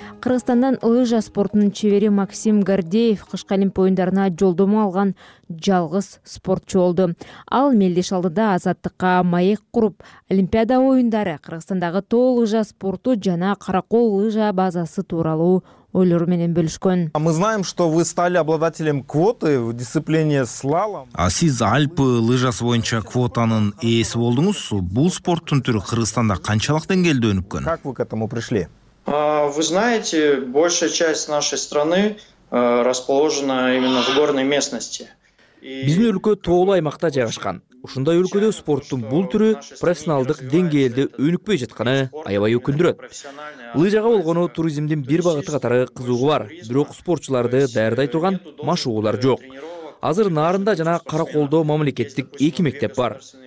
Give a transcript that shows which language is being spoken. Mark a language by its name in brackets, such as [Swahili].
[Kyrgyz] Кыргызстандан лыжа спортунун чевери Максим Гордеев кышкы олимп оюндарына жолдомо алган жалгыз спортчу болду. Ал мелдеш алдыда азаттыкка маек куруп, олимпиада оюндары, Кыргызстандагы тоо лыжа спорту жана каракол лыжа базасы тууралуу ойлору менен бөлүшкөн. [Russian] Мы знаем, что вы стали обладателем квоты в дисциплине слалом. [Kyrgyz] А сиз Альпы лыжасы боюнча квотанын ээси болдуңуз. Бул спорттун түрү Кыргызстанда канчалык деңгээлде өнүккөн? [Russian] Как вы к этому пришли? Вы знаете, большая часть нашей страны расположена именно в горной местности. [Kyrgyz] Биздин өлкө тоолуу аймакта жайгашкан. Ушундай өлкөдө спорттун бул түрү профессионалдык деңгээлде өнүкпөй жатканы аябай өкүндүрөт. Лыжага болгону туризмдин бир багыты катары кызыгы бар, бирок спортчуларды даярдай турган машыгуулар жок. Азыр Нарында жана Караколдо мамлекеттик 2 мектеп бар.